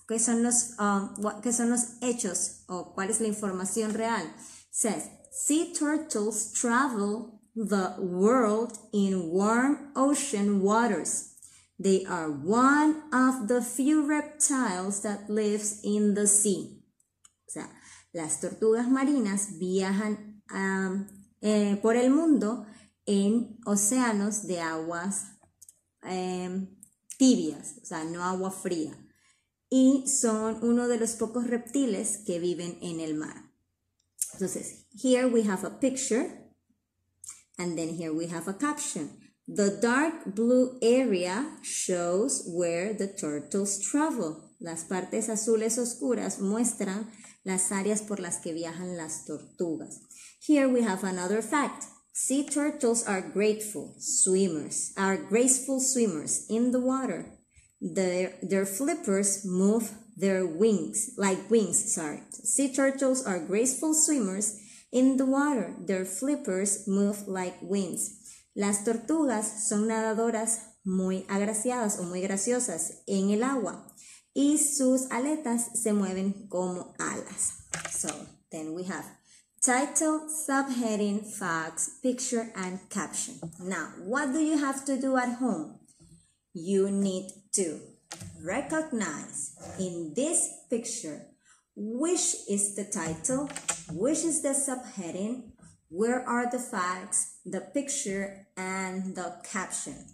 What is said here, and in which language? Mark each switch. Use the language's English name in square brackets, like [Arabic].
[Spanish] ¿Qué son los hechos? ¿O cuál es la información real? [English] Says sea turtles travel the world in warm ocean waters. They are one of the few reptiles that lives in the sea. [Spanish] Las tortugas marinas viajan por el mundo en océanos de aguas tibias, o sea, no agua fría. Y son uno de los pocos reptiles que viven en el mar. [English] Entonces, here we have a picture, and then here we have a caption. The dark blue area shows where the turtles travel. [Spanish] Las partes azules oscuras muestran las áreas por las que viajan las tortugas. [English] Here we have another fact. Sea turtles are graceful swimmers in the water. Their flippers move their wings, Sea turtles are graceful swimmers in the water. Their flippers move like wings. [Spanish] Las tortugas son nadadoras muy agraciadas o muy graciosas en el agua. Y sus aletas se mueven como alas. [English] So, then we have title, subheading, facts, picture, and caption. Now, what do you have to do at home? You need to recognize in this picture which is the title, which is the subheading, where are the facts, the picture, and the caption.